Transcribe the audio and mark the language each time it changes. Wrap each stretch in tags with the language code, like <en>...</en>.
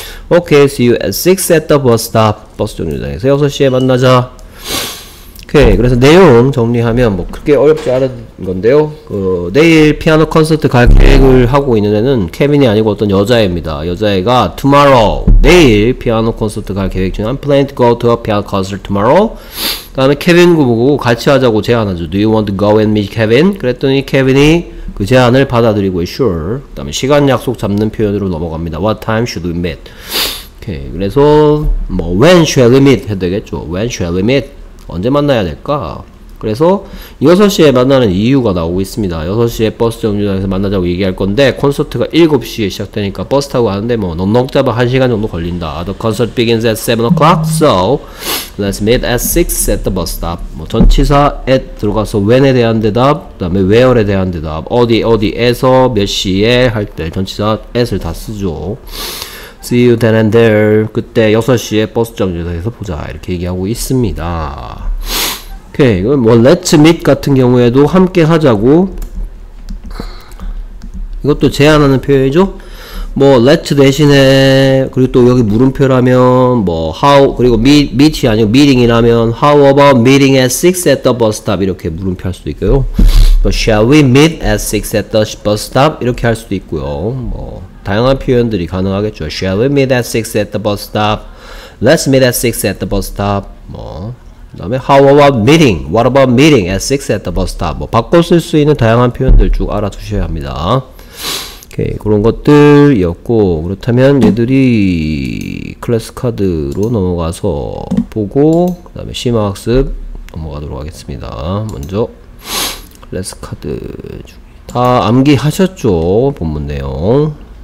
<en>Okay, see you at 6 at the bus stop.</en> <ko>버스 정류장에서 6시에 만나자. 오케이. 그래서 내용 정리하면 뭐 그렇게 어렵지 않은 건데요. 그 내일 피아노 콘서트 갈 계획을 하고 있는 애는 케빈이 아니고 어떤 여자애입니다. 여자애가 tomorrow 내일 피아노 콘서트 갈 계획 중</ko> <en>I'm planning to go to a piano concert tomorrow.</en> <ko>그다음에 케빈도 보고 같이 하자고 제안하죠.</ko> <en>Do you want to go with me, Kevin?</en> <ko>그랬더니 케빈이 그 제안을 받아들이고 sure. 그다음에 시간 약속 잡는 표현으로 넘어갑니다.</ko> <en>What time should we meet? 오케이. 그래서 뭐 when shall we meet</en> <ko>해도 되겠죠.</ko> <en>When shall we meet?</en> <ko>언제 만나야 될까? 그래서 6시에 만나는 이유가 나오고 있습니다. 6시에 버스 정류장에서 만나자고 얘기할 건데 콘서트가 7시에 시작되니까 버스 타고 가는데 뭐 넉넉잡아 1시간 정도 걸린다.</ko> <en>The concert begins at 7 o'clock, so let's meet at 6 at the bus stop.</en> <ko>뭐 전치사 at 들어가서 when에 대한 대답, 그 다음에 where에 대한 대답, 어디 어디에서 몇 시에 할 때 전치사 at을 다 쓰죠.</ko> <en>See you then and there.</en> <ko>그때 6시에 버스 정류장에서 보자. 이렇게 얘기하고 있습니다. 오케이. 뭐 let's meet 같은 경우에도 함께 하자고 이것도 제안하는 표현이죠. 뭐 let's 대신에 그리고 또 여기 물음표라면 뭐 how 그리고 meet이 아니고 meeting이라면</ko> <en>how about meeting at 6 at the bus stop</en> <ko>이렇게 물음표 할 수도 있고요.</ko> <en>But shall we meet at 6 at the bus stop</en> <ko>이렇게 할 수도 있고요. 뭐 다양한 표현들이 가능하겠죠.</ko> <en>Shall we meet at 6 at the bus stop? Let's meet at 6 at the bus stop. 뭐, 그다음에 How about meeting? What about meeting at 6 at the bus stop?</en> <ko>뭐 바꿔 쓸 수 있는 다양한 표현들 쭉 알아두셔야 합니다. 오케이, 그런 것들이었고 그렇다면 얘들이 클래스 카드로 넘어가서 보고 그다음에 심화학습 넘어가도록 하겠습니다. 먼저 클래스 카드 다 암기하셨죠? 본문 내용.</ko>